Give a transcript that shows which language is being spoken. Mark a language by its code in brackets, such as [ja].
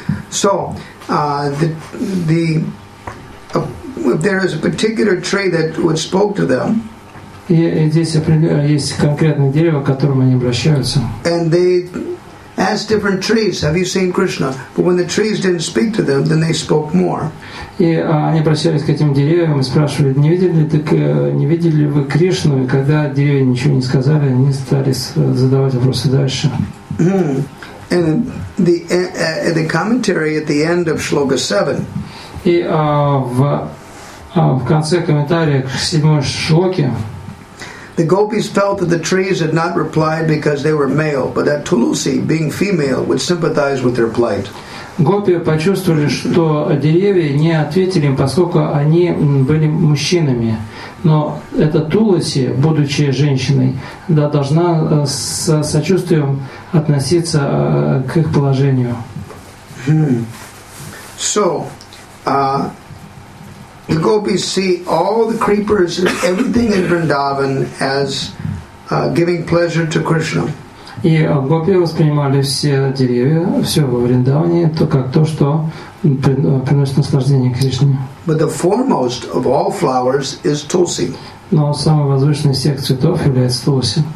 [en] So, if there is a particular tree that would spoke to them. [ru] Есть конкретное дерево, к которому они обращаются. [en] And they ask different trees, "Have you seen Krishna?" But when the trees didn't speak to them, then they spoke more. [ru] И они обращались к этим деревьям и спрашивали: не видели ли вы Кришну? И когда деревья ничего не сказали, они стали задавать вопросы дальше. [en] And the commentary at the end of Shloka 7. [ru] И в конце комментария к седьмой шлоке. [en] The gopis felt that the trees had not replied because they were male, but that Tulsi, being female, would sympathize with their plight. [ru] Гопи почувствовали, что деревья не ответили им, поскольку они были мужчинами. Но эта Тулоси, будучи женщиной, да, должна с сочувствием относиться к их положению. [en] So, the gopis see all the creepers and everything in Vrindavan as giving pleasure to Krishna. [ru] И гопи воспринимали все деревья, все во Вриндаване, то как то, что приносит наслаждение Кришне. [en] But the foremost of all flowers is Tulsi. [ru] Но самый возвышенный из всех цветов является Тулси.